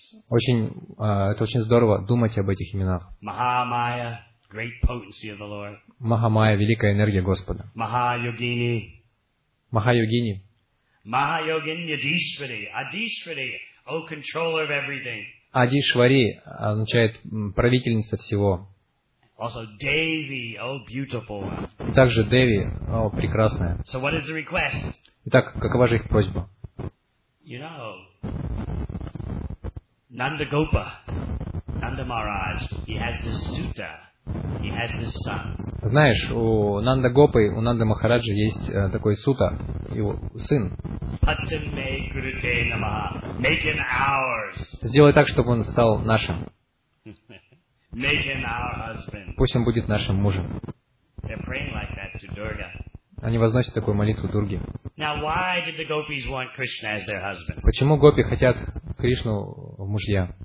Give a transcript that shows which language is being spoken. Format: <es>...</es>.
<ru>Это очень здорово думать об этих именах.</ru> <en>Mahamaya, great potency of the Lord.</en> <ru>Маха-майя, великая энергия Господа. Маха-йогини. Маха-йогини. Маха-йогини, Адишвари. Адишвари, о контроллер</ru> <en>of everything.</en> <ru>Адишвари означает правительница всего.</ru> <en>Also Devi, oh beautiful one.</en> <ru>Также Деви, о, прекрасная.</ru> <en>So what is the request?</en> <ru>Итак, какова же их просьба?</ru> <en>You know, Nandagopa, Nanda Maharaj, he has this sutta, he has this son.</en> <ru>Знаешь, у Нандагопы, у Нанда Махараджи есть такой сутта, его сын.</ru> <sa>Patame Gurute Namaha,</sa> <en>make him ours.</en> <ru>Сделай так, чтобы он стал нашим.</ru> <en>Make him our husband.</en> <ru>Пусть он будет нашим мужем.</ru> <en>They're praying like that to Durga.</en> <ru>Они возносят такую молитву Дурге.</ru> <en>Now, why did the gopis want Krishna as their husband?</en> <ru>Почему гопи хотят Кришну в мужья?</ru>